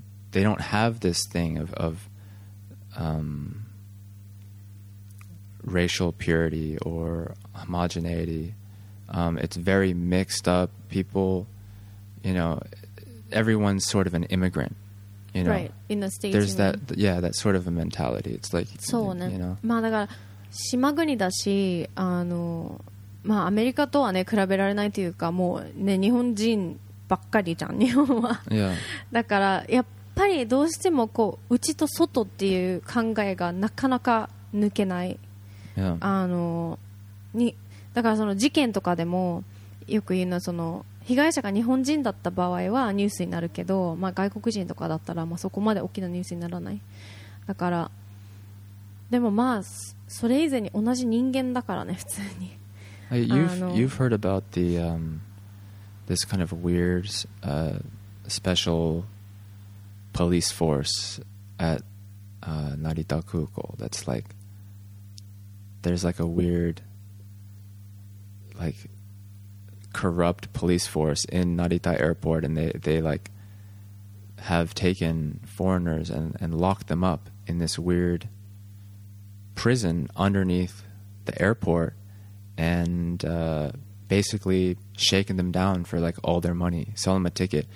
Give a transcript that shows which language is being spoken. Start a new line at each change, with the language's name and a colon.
English: They don't have this thing of racial purity or homogeneity. It's very mixed up. People, you know, everyone's sort of an immigrant, you know. Right, in the States. There's that, yeah, that sort of a mentality. It's like, you know. So,
Japanese: まあだから島国だし、あの、まあアメリカとはね、比べられないというか、もうね、日本人ばっかりじゃん、日本は。
English: Yeah.
Japanese: だから、やっぱやっぱりどうしてもこう内と外っていう考えがなかなか抜けない、
English: yeah.
Japanese: あのにだからその事件とかでもよく言うのはその被害者が日本人だった場合はニュースになるけど、まあ、外国人とかだったらまあそこまで大きなニュースにならない。だからでもまあそれ以前に同じ人間だからね普通に。
English: You've heard about the, this kind of weird, specialpolice force at Narita Kuko. That's like there's like a weird like corrupt police force in Narita Airport, and they like have taken foreigners and locked them up in this weird prison underneath the airport and basically shaking them down for like all their money, sell them a ticket.